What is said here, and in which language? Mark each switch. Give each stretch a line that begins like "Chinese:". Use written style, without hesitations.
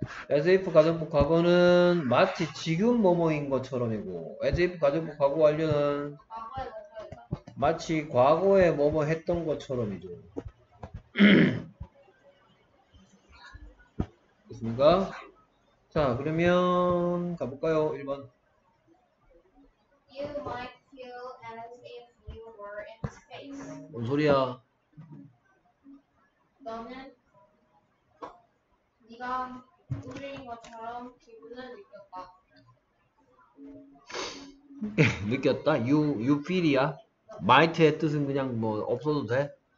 Korean: as if 가정법 과거는 마치 지금 뭐뭐인 것처럼이고 as if 가정법 과거 완료는 마치 과거에 뭐뭐 했던 것처럼이죠. 그니까 자, 그러면 가볼까요? 1번.
English: You might feel as if you were in space.
Korean: 뭔 소리야? 너는 네가 우주인 것처럼 기분을 느꼈다. 느꼈다?
English: You feel
Korean: 이야? Might의 뜻은 그냥 뭐 없어도 돼?